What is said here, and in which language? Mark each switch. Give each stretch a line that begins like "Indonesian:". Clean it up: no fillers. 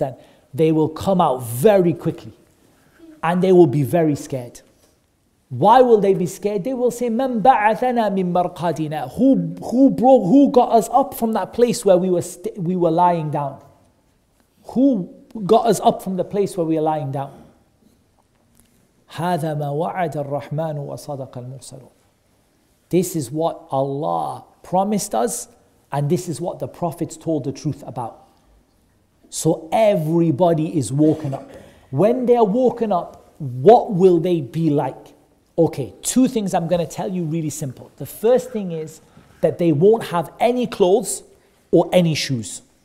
English: And they will come out very quickly and they will be very scared. Why will they be scared? They will say,
Arabic: "Man ba'athana min marqadina?"
English: Who got us up from that place where we were lying down? Who got us up from the place where we are lying down?
Arabic: هذا ما وعد الرحمن وصدق المرسلون.
English: This is what Allah promised us, and this is what the prophets told the truth about. So everybody is woken up. When they are woken up, what will they be like? Okay, two things I'm going to tell you, really simple. The first thing is that they won't have any clothes or any shoes.